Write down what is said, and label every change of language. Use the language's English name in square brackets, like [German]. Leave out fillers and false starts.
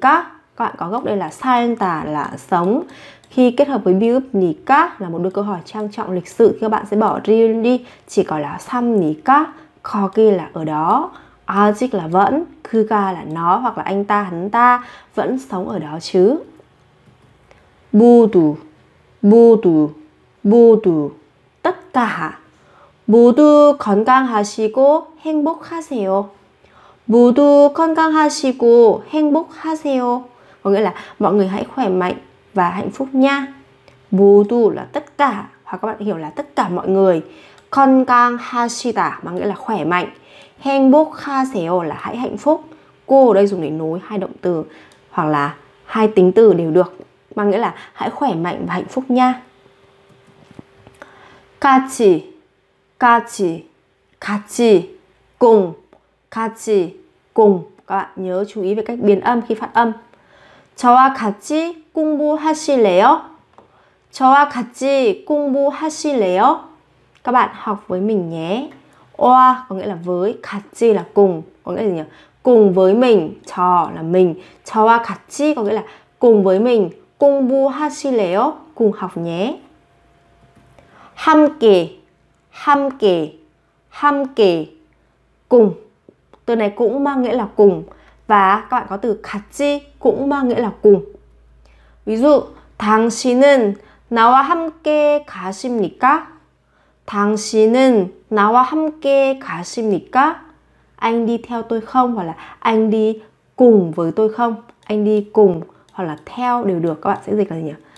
[Vietnamese] Các bạn có gốc đây là 살다 là sống. Khi kết hợp với 삽니까 là một đôi câu hỏi trang trọng lịch sự, thì các bạn sẽ bỏ 를 đi, chỉ có là 삽니까? 거기 là ở đó, 아직 là vẫn, 그가 là nó hoặc là anh ta, hắn ta vẫn sống ở đó chứ? [Korean] 모두 모두 모두 [Vietnamese] tất cả. [Korean] 모두 건강하시고 행복하세요. 모두 건강하시고 행복하세요. [Vietnamese] Có nghĩa là mọi người hãy khỏe mạnh và hạnh phúc nha. Modu là tất cả, hoặc các bạn hiểu là tất cả mọi người. Con gang hashida mà nghĩa là khỏe mạnh. Hengbok haseo là hãy hạnh phúc. Cô ở đây dùng để nối hai động từ hoặc là hai tính từ đều được, mà nghĩa là hãy khỏe mạnh và hạnh phúc nha. Kachi, kachi, kachi, cùng, kachi, cùng. Các bạn nhớ chú ý về cách biến âm khi phát âm. [Korean] 저와 같이 공부하실래요? 저와 같이 공부하실래요? [Vietnamese] Các bạn học với mình nhé. Oa có nghĩa là với, 같이 là cùng, có nghĩa là gì nhỉ? Cùng với mình, 저 là mình, 저와 같이 có nghĩa là cùng với mình, 공부하실래요? Cùng học nhé. [Korean] 함께, 함께, 함께, [Vietnamese] Cùng. Từ này cũng mang nghĩa là cùng. Và các bạn có từ 같이 cũng mang nghĩa là cùng. Ví dụ, [Korean] 당신은 나와 함께 가십니까? 당신은 나와 함께 가십니까? [Vietnamese] Anh đi theo tôi không? Hoặc là anh đi cùng với tôi không? Anh đi cùng hoặc là theo đều được. Các bạn sẽ dịch là gì nhỉ?